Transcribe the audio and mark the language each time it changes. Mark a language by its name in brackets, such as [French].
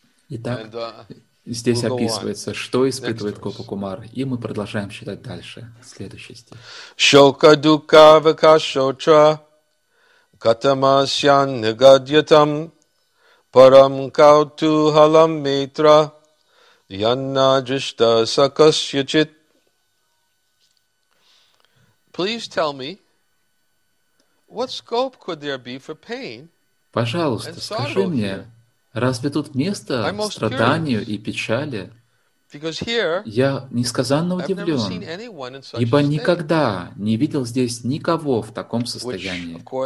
[Russian] Итак, здесь описывается, что испытывает Гопа-кумар, и мы продолжаем читать дальше. Следующий стих. [Sanskrit] Шока дука вакашотра катамасян нагадьятам парам кауту халам метра янна джишта сакасьячит. [English] Please tell me, what scope could there be for pain? [Russian] Пожалуйста, скажи мне, разве тут место страданию и печали? Я несказанно удивлен, ибо никогда не видел здесь никого в таком состоянии.